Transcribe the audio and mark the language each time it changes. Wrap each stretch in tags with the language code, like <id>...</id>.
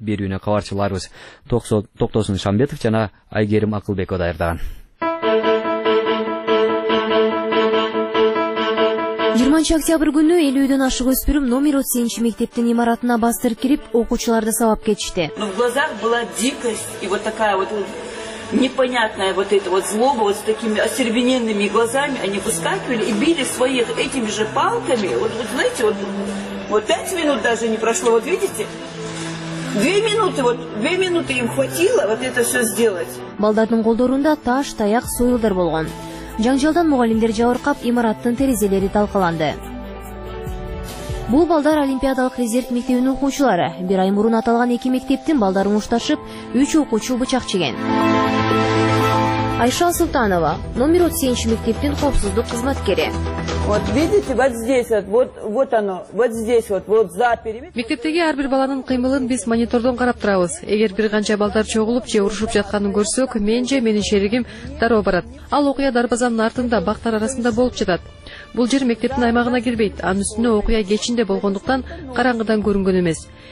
<ky>Берүүнү кабарчыларыбыз Токтосун Шамбетов жана Айгерим Акылбекова даярдаган. 20 октябрь күнү 50-дөн ашык өспүрүм номер 32 мектептин имаратына бастырып кирип, окуучуларды сабап кетишти.</ky> <ru>В глазах была дикость и вот такая вот непонятная вот эта вот злоба, вот с такими остервененными глазами они выскакивали и били своих этими же палками. Вот знаете, вот 5 минут даже не прошло, вот видите? 2 минуты им хватило вот это все сделать.</ru> <ky>Балдардын колдорунда таш, таяк, союлдар болгон. Жаңжалдан мугалимдер жабыркап, имараттын терезелери талкаланды. Бул балдар олимпиадалык резерв мектебинин окуучулары. Бир ай мурун аталган эки мектептин балдары мушташып, 3 окуучу бычак жеген. Айша Султанова, номер 32 мектептин коопсуздук кызматкери.</ky> <ru>Вот видите, вот здесь вот оно, за периметр.</ru> <ky>Мектептеги ар бир баланын кыймылын биз монитордон карап турабыз. Эгер бир канча балдар чогулуп же урушуп жатканын көрсөк, мен же менин шеригим дароо барат. Ал окуя дарбазанын артында бактар арасында болуп жатат. Бул жер мектептин аймагына кирбейт, анын үстүнө окуя кечинде болгондуктан караңгыдан көрүнгөн эмес.</ky>